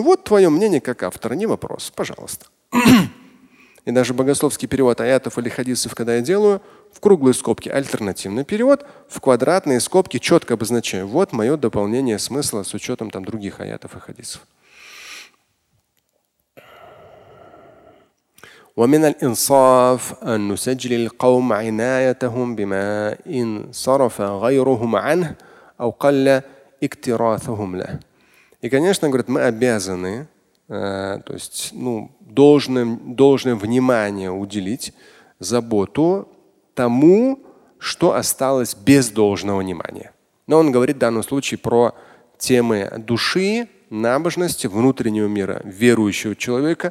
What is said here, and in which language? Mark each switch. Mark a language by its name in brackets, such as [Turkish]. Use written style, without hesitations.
[Russian] Вот твое мнение как автора, не вопрос, пожалуйста. И даже богословский перевод аятов или хадисов, когда я делаю, в круглые скобки альтернативный перевод, в квадратные скобки четко обозначаю. Вот мое дополнение смысла с учетом там других аятов и хадисов. [Arabic] ومن الإنصاف أن نسجل القوم عنايتهم بما إن صرف غيرهم عنه أو قل اكتراثهم له. [Russian] И, конечно, говорит, мы обязаны, то есть, ну, должное внимание уделить, заботу тому, что осталось без должного внимания. Но он говорит в данном случае про темы души, набожности, внутреннего мира верующего человека.